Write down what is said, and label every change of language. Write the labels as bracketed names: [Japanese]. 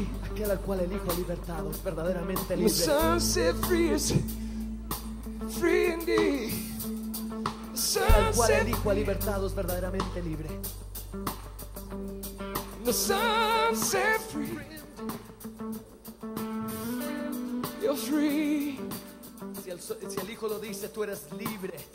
[Spanish] Aquel al cual el Hijo ha libertado es verdaderamente libre. [English] The sun set free is free indeed. [Spanish] Aquel al cual el Hijo ha libertado es verdaderamente libre. [English] The sun set free. You're free. [Spanish] Si el Hijo lo dice, tú eres libre.